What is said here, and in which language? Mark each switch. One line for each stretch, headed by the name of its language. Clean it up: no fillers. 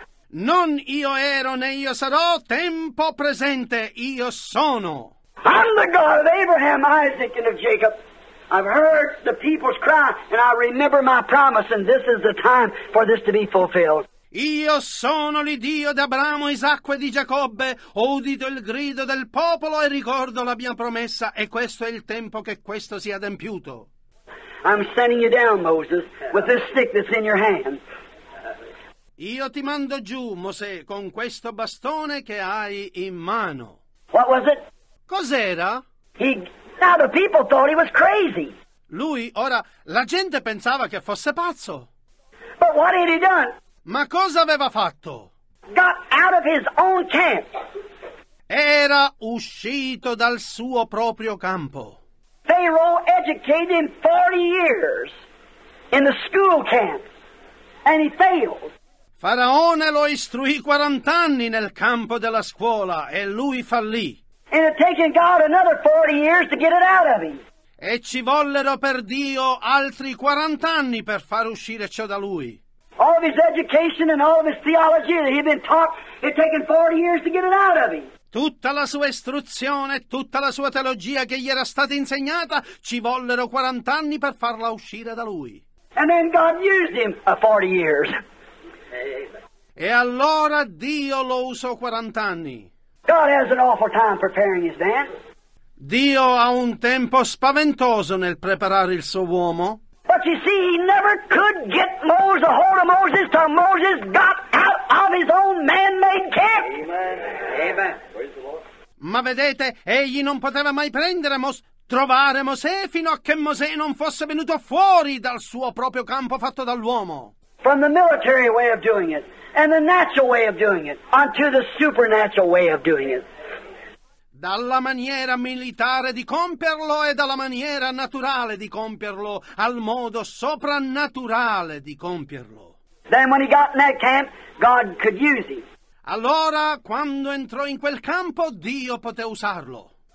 Italian: Non io ero né io sarò, tempo presente, io sono.
English: I'm the God of Abraham, Isaac, and of Jacob. I've heard the people's cry, and I remember my promise, and this is the time for this to be fulfilled.
Italian: Io sono l'Iddio d'Abramo, Isacco e di Giacobbe. Ho udito il grido del popolo e ricordo la mia promessa, e questo è il tempo che questo sia adempiuto.
English: I'm sending you down, Moses, with this stick that's in your hand.
Italian: Io ti mando giù, Mosè, con questo bastone che hai in mano.
English: What was it?
Italian: Cos'era?
English: Now the people thought he was crazy.
Italian: Lui, ora, la gente pensava che fosse pazzo.
English: But what had he done?
Italian: Ma cosa aveva fatto?
English: Got out of his own camp.
Italian: Era uscito dal suo proprio campo.
English: Pharaoh educated him 40 years in the school camp, and he failed.
Italian: Faraone lo istruì 40 anni nel campo della scuola e lui fallì.
English: And it taken God another 40 years to get it out of him.
Italian: E ci vollero per Dio altri 40 anni per far uscire ciò da lui.
English: All of his education and all of his theology that he'd been taught, it taken 40 years to get it out of him.
Italian: Tutta la sua istruzione, tutta la sua teologia che gli era stata insegnata, ci vollero 40 anni per farla uscire da lui.
English: And then God used him 40 years.
Italian: E allora Dio lo usò 40 anni.
English: God has an awful time preparing his man.
Italian: Dio ha un tempo spaventoso nel preparare il suo uomo.
English: But you see, he never could get Moses, a hold of Moses, till Moses got out of his own man-made camp. Amen. Amen.
Italian: Ma vedete, egli non poteva mai trovare Mosè fino a che Mosè non fosse venuto fuori dal suo proprio campo fatto dall'uomo.
English: From the military way of doing it. And the natural way of doing it, unto the supernatural way of doing it.
Italian: Dalla maniera militare di compierlo e dalla maniera naturale di compierlo, al modo soprannaturale di compierlo.
English: Then when he got in that camp, God could use him.
Italian: Allora, quando entrò in quel campo, Dio poté usarlo.